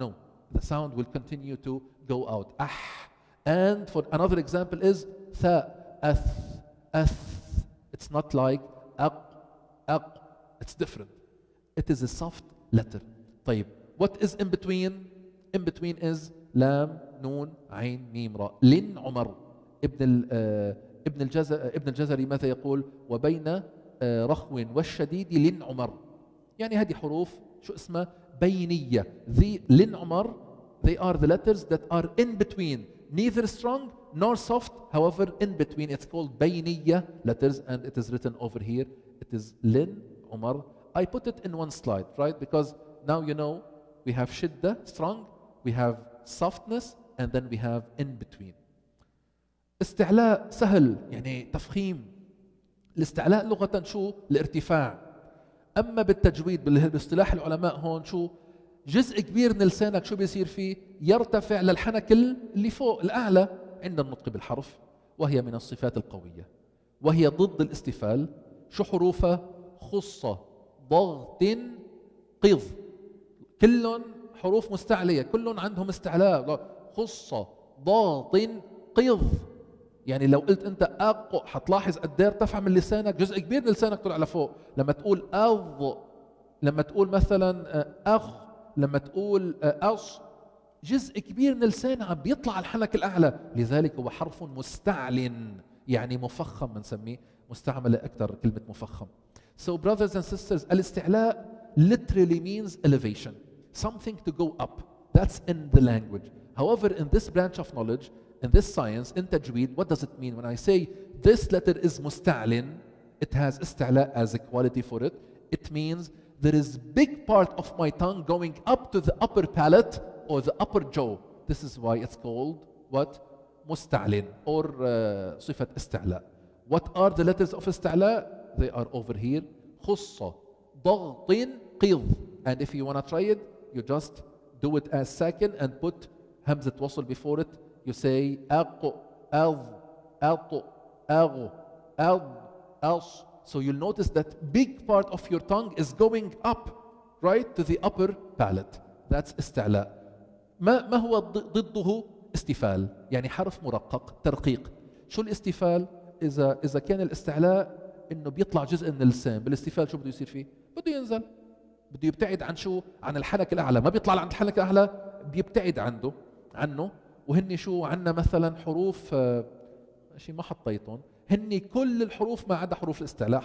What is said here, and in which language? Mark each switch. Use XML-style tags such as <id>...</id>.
<en>No, the sound will continue to go out.</en> <ar>أح.</ar> <en>And for another example is ثاء, أث, أث. It's not like أق, أق. It's different. It is a soft letter. طيب, what is in between? In between is لام, نون, عين, ميم, راء. لن عمر.</en> <ar>ابن الجزري ماذا يقول؟ وبين رخو والشديد لن عمر. يعني هذه حروف شو اسمها؟ بينية.</ar> <en>The لن عمر, they are the letters that are in between, neither strong nor soft, however in between. It's called بينية letters, and it is written over here. It is لن عمر. I put it in one slide, right? Because now you know we have شدة, strong, we have softness, and then we have in between.</en> <ar>استعلاء سهل, يعني تفخيم. الاستعلاء لغة شو؟ الارتفاع. أما بالتجويد باصطلاح العلماء هون شو؟ جزء كبير من لسانك شو بيصير فيه؟ يرتفع للحنك اللي فوق الأعلى عند النطق بالحرف, وهي من الصفات القوية, وهي ضد الاستفال. شو حروفها؟ خصة, ضغط, قض. كلهم حروف مستعلية, كلهم عندهم استعلاء. خصة, ضغط, قض. يعني لو قلت انت اق, حتلاحظ قد ايه ارتفع من لسانك, جزء كبير من لسانك طلع لفوق. لما تقول اض, لما تقول مثلا اخ, لما تقول اص, جزء كبير من لسانك عم بيطلع على الحنك الاعلى. لذلك هو حرف مستعل, يعني مفخم, بنسميه مستعمله اكثر كلمه مفخم.</ar> <en>So brothers and sisters, الاستعلاء literally means elevation, something to go up. That's in the language. However, in this branch of knowledge, in this science, in تجويد, what does it mean when I say this letter is مستعلن, it has استعلاء as a quality for it? It means there is big part of my tongue going up to the upper palate or the upper jaw. This is why it's called what? مستعلن, or صفة استعلاء. What are the letters of استعلاء? They are over here. خصة, ضغط, قض. And if you want to try it, you just do it as ساكن and put همزة وصل before it. You say أق, أض, أط, أغ, أض, أص. So you'll notice that big part of your tongue is going up, right, to the upper palate. That's استعلاء.</en> <ar>ما هو ضده؟ استفال. يعني حرف مرقق, ترقيق. شو الاستفال؟ إذا كان الاستعلاء إنه بيطلع جزء من اللسان, بالاستفال شو بده يصير فيه؟ بده ينزل, بده يبتعد عن شو؟ عن الحنك الأعلى. ما بيطلع عند الحنك الأعلى, بيبتعد عنه. وهني شو عنا مثلا حروف, شيء ما حطيتهم, هني كل الحروف ما عدا حروف الاستعلاء.</ar>